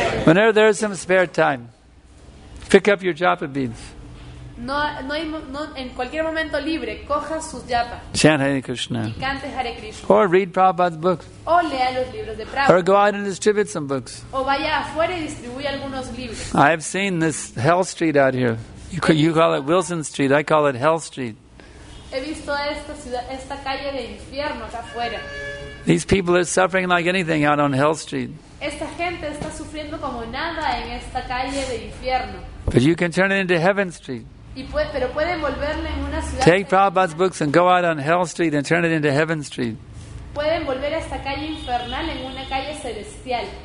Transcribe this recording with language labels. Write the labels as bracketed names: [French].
[English] Whenever there is some spare time, pick up your japa beads. [Spanish] No, en cualquier momento libre, coja sus yapas. [English] Chant Hare Krishna. [Spanish] Y cante Hare Krishna. [English] Or read Prabhupada's books. [Spanish] O lea los libros de Prabhupada. [English] Or go out and distribute some books. [Spanish] O vaya afuera y distribuya algunos libros. [English] I have seen this Hell Street out here. You call it Wilson Street. I call it Hell Street. [Spanish] He visto esta ciudad, esta calle de infierno acá afuera. [English] These people are suffering like anything out on Hell Street. [Spanish] Esta gente está sufriendo como nada en esta calle de infierno. [English] But you can turn it into Heaven Street. [Spanish] Pero pueden volverla en una ciudad. [English] Take Prabhupada's books and go out on Hell Street and turn it into Heaven Street. [Spanish] Pueden volver a esta calle infernal en una calle celestial.